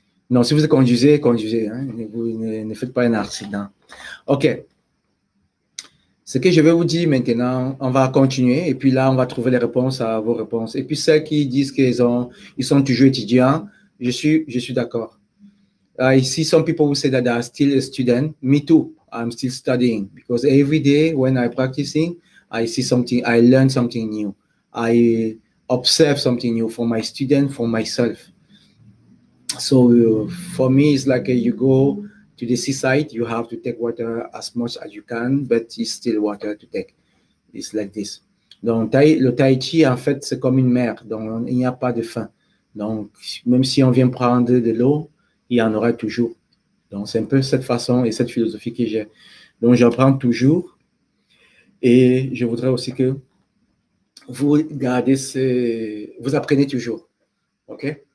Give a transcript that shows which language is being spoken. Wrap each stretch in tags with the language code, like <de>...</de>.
<fr>Non, si vous conduisez, conduisez. Hein. Ne faites pas un accident. OK. Ce que je vais vous dire maintenant, on va continuer et puis là, on va trouver les réponses à vos réponses. Et puis, celles qui disent qu'ils sont toujours étudiants, je suis d'accord.</fr> <en>I see some people who say that they are still a student. Me too, I'm still studying. Because every day when I'm practicing, I see something, I learn something new. I observe something new for my student, for myself. So, for me, it's like you go to the seaside, you have to take water as much as you can, but it's still water to take. It's like this.</en> <fr>Donc, le Tai Chi, en fait, c'est comme une mer. Donc, il n'y a pas de fin. Donc, même si on vient prendre de l'eau, il y en aura toujours. Donc, c'est un peu cette façon et cette philosophie que j'ai. Donc, j'en prends toujours. Et je voudrais aussi que vous gardez vous apprenez toujours. OK?</fr>